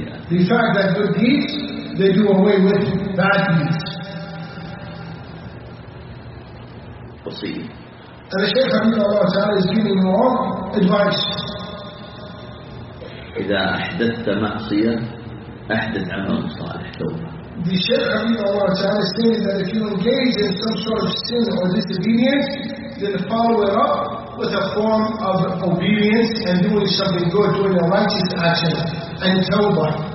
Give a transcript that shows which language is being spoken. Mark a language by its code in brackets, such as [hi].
[en] The fact that good deeds, they do away with bad deeds. We'll see. And the Shaykh Habibullah Ta'ala is giving more advice. [ar] إذا أحدثت معصية أحدث عمل صالح توبة. [en] The Shaykh Habibullah Ta'ala is saying that if you engage in some sort of sin or disobedience, then follow it up with a form of obedience and doing something good, doing a righteous action, and tawbah.